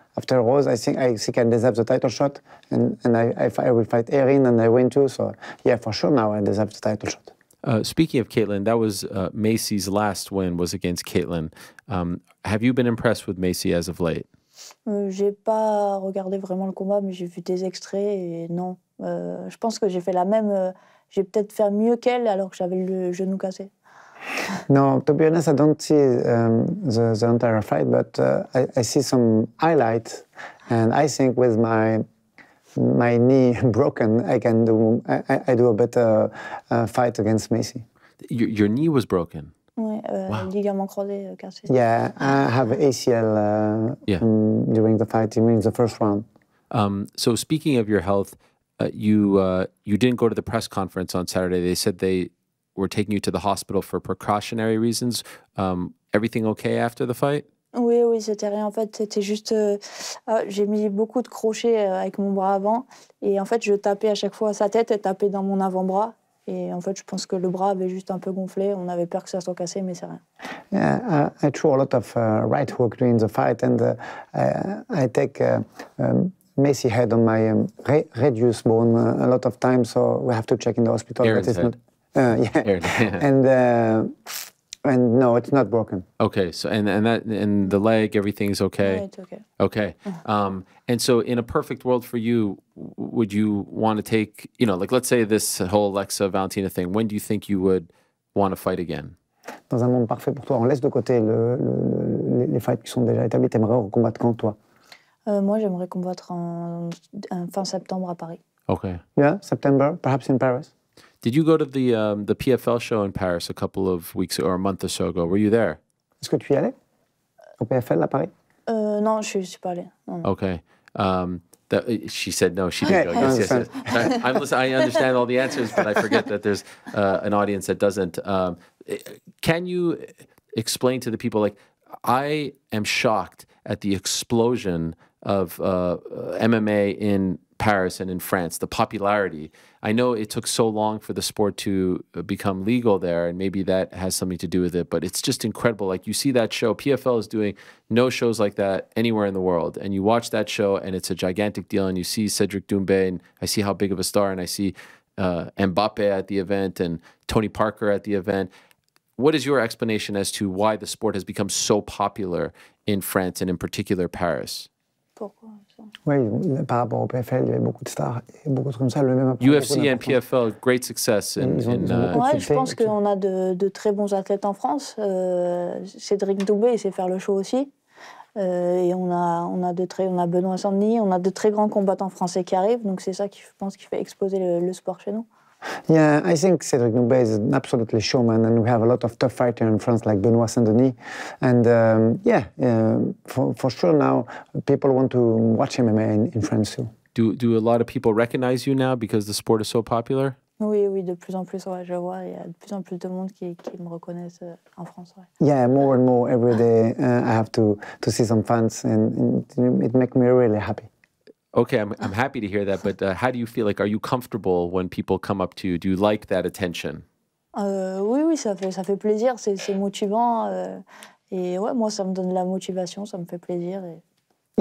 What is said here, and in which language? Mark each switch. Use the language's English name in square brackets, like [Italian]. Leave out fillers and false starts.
[English] After Rose, I think I deserve the title shot, and I will fight Erin, and I win too. So yeah, for sure now I deserve the title shot. Speaking of Caitlin, that was Macy's last win was against Caitlin. Have you been impressed with Maycee as of late? [French] J'ai pas regardé vraiment le combat, mais j'ai vu des extraits et non. Je pense que j'ai fait la même. J'ai peut-être fait mieux qu'elle alors que j'avais le genou cassé. [English] No, to be honest, I don't see the entire fight, but I see some highlights, and I think with my knee broken, I can do I do a better fight against Maycee. Your knee was broken. [French] Oui, ligament croisé cassé. [English] Yeah, I have ACL during the fight, during the first round. So speaking of your health. You didn't go to the press conference on Saturday. They said they were taking you to the hospital for precautionary reasons. Everything okay after the fight? [French] Oui, c'était rien. En fait, c'était juste... j'ai mis beaucoup de crochets avec mon bras avant. Et en fait, je tapais à chaque fois à sa tête et tapais dans mon avant-bras. Et en fait, je pense que le bras avait juste un peu gonflé. On avait peur que ça soit cassé, mais c'est rien. [English] Yeah, I threw a lot of right hook during the fight. And I take... Maycee had on my radius bone a lot of times, so we have to check in the hospital. Erin's head. And no, it's not broken. Okay, so and the leg, everything's okay. Yeah, it's okay. Okay, and so in a perfect world for you, would you want to take, you know, like let's say this whole Alexa Valentina thing. When do you think you would want to fight again? [French] Dans un monde parfait pour toi, on laisse de côté les fights qui sont déjà établis. T'aimerais recombattre quand toi? Moi, j'aimerais combattre en fin septembre à Paris. [English] Okay. Yeah, September, perhaps in Paris. Did you go to the PFL show in Paris a couple of weeks or a month or so ago? Were you there? [French] Est-ce que tu y allais au PFL à Paris? Non, je suis pas allé. [English] Okay. She said no, she didn't go. Yes, yes, yes. I understand all the answers, but I forget that there's an audience that doesn't. Can you explain to the people, like, I am shocked at the explosion of MMA in Paris and in France, the popularity. I know it took so long for the sport to become legal there, and maybe that has something to do with it, but it's just incredible. Like, you see that show, PFL is doing no shows like that anywhere in the world, and you watch that show and it's a gigantic deal, and you see Cedric Doumbé, and I see how big of a star, and I see Mbappe at the event and Tony Parker at the event. What is your explanation as to why the sport has become so popular in France and in particular Paris? [French] Oui, par rapport au PFL, il y avait beaucoup de stars et beaucoup de comme ça. Le même [English] UFC et PFL, great success. [French] Oui, je pense qu'on a de très bons athlètes en France. Cédric Doumbé, il sait faire le show aussi. Et on a Benoît Saint-Denis, on a de très grands combattants français qui arrivent. Donc c'est ça qui, je pense, qui fait exploser le sport chez nous. [English] Yeah, I think Cédric Doumbé is an absolutely showman, and we have a lot of tough fighters in France like Benoît Saint-Denis. And for sure now, people want to watch MMA in France too. Do a lot of people recognize you now because the sport is so popular? [French] Oui, oui, de plus en plus, ouais, je vois. Il y a de plus en plus de monde qui me reconnaissent en France. Ouais. [English] Yeah, more and more every day I have to see some fans, and it makes me really happy. Okay, I'm happy to hear that, but how do you feel? Like, are you comfortable when people come up to you? Do you like that attention? [French] Oui, oui, ça fait plaisir. C'est motivant. Et ouais, moi, ça me donne la motivation. Ça me fait plaisir. Et...